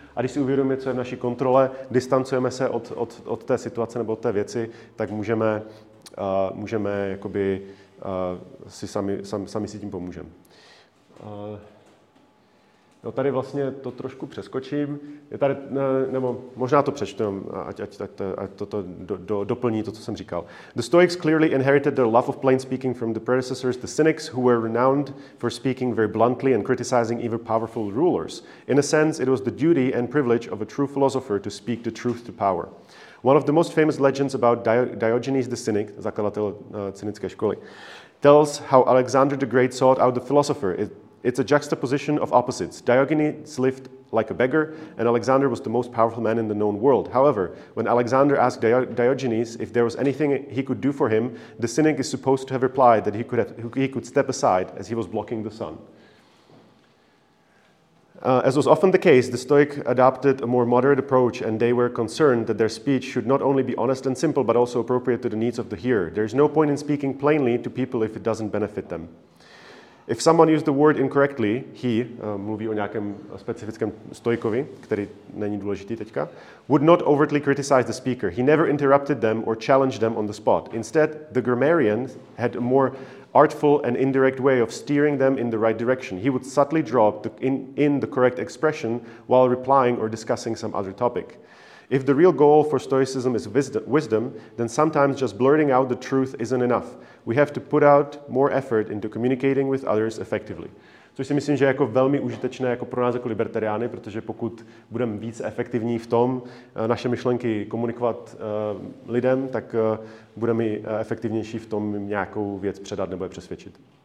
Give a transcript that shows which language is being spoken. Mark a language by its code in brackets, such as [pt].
[cs] A když si uvědomíme, co je v naší kontrole, distancujeme se od té situace nebo od té věci, tak můžeme jakoby si sami si tím pomůžeme. No tady vlastně to trošku přeskočím. Je tady, nebo možná to přečtu, ať toto doplní to, co jsem říkal. [en] The Stoics clearly inherited their love of plain speaking from the predecessors, the cynics, who were renowned for speaking very bluntly and criticizing even powerful rulers. In a sense, it was the duty and privilege of a true philosopher to speak the truth to power. One of the most famous legends about Diogenes the Cynic, [cs] zakladatel cynické školy, [en] tells how Alexander the Great sought out the philosopher. It's a juxtaposition of opposites. Diogenes lived like a beggar, and Alexander was the most powerful man in the known world. However, when Alexander asked Diogenes if there was anything he could do for him, the cynic is supposed to have replied that he could step aside as he was blocking the sun. As was often the case, the Stoic adopted a more moderate approach, and they were concerned that their speech should not only be honest and simple, but also appropriate to the needs of the hearer. There is no point in speaking plainly to people if it doesn't benefit them. If someone used the word incorrectly, he, [cs] mluví o nějakém specifickém stoikovi, který není důležitý teďka, [en] would not overtly criticize the speaker. He never interrupted them or challenged them on the spot. Instead, the grammarian had a more artful and indirect way of steering them in the right direction. He would subtly draw in the correct expression while replying or discussing some other topic. If the real goal for Stoicism is wisdom, then sometimes just blurting out the truth isn't enough. We have to put out more effort into communicating with others effectively. [cs] Což si myslím, že je jako velmi užitečné jako pro nás jako libertariány, protože pokud budeme víc efektivní v tom naše myšlenky komunikovat lidem, tak budeme efektivnější v tom nějakou věc předat nebo je přesvědčit.